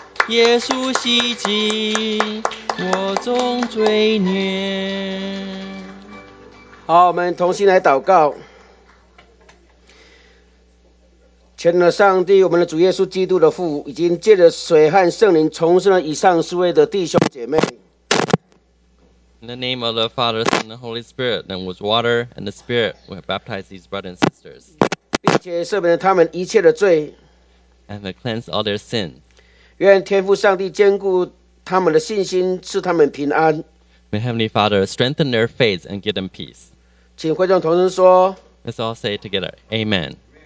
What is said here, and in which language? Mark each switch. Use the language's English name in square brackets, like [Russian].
[Chinese] 耶稣洗净我中罪孽。好，我们同心来祷告。全能的上帝，我们的主耶稣基督的父，已经借着水和圣灵重生了以上四位的弟兄姐妹。 [English] In the name of the Father, Son, and the Holy Spirit, and with water and the Spirit, we have baptized these brothers and sisters. [Chinese] 并且赦免了他们一切的罪。 [English] And have cleansed all their sin. [Chinese] 愿天父上帝坚固他们的信心，赐他们平安。 [English] May Heavenly Father strengthen their faith and give them peace. [Chinese] 请会众同声说。 [English] Let's all say together, Amen.